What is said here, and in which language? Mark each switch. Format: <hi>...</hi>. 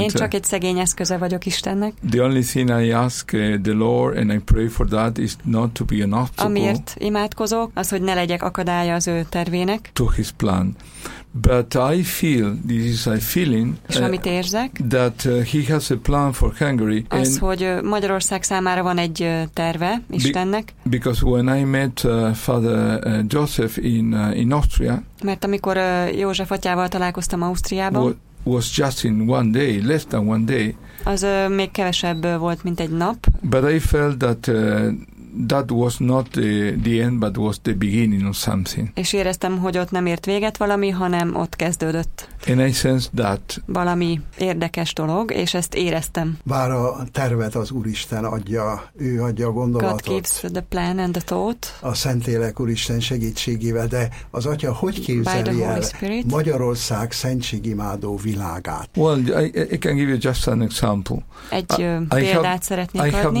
<hu>Én csak egy szegény eszköze vagyok Istennek.</hu> <en>The only thing I ask the Lord and I pray for that is not to be an obstacle.</en> <hu>Amiért imádkozok, az, hogy ne legyek akadálya az ő tervének.</hu> <en>To his plan. But I feel, this is a feeling, that he has a plan for Hungary.</en> <hu>Az, hogy Magyarország számára van egy terve Istennek.</hu> <en>Because when I met Father Joseph in Austria,</en> <hu>mert amikor József atyával találkoztam Ausztriában,</hu> <en>was just in one day, less than one day.</en> <hu>Az még kevesebb volt, mint egy nap.</hu> <en>But I felt that that was not the end, but was the beginning of something.</en> <hu>És éreztem, hogy ott nem ért véget valami, hanem ott kezdődött.</hu> <en>In a sense that.</en> <hu>Valami érdekes dolog, és ezt éreztem. Bár a tervet az Úristen adja, ő adja a gondolatot.</hu> <en>God keeps the plan and the thought.</en> <hu>A Szentlélek Úristen segítségével, de az atya hogy képzeli el Magyarország szentségimádó világát?</hu> <en>Well, I can give you just an example.</en> <hu>Egy példát szeretnék adni.</hu>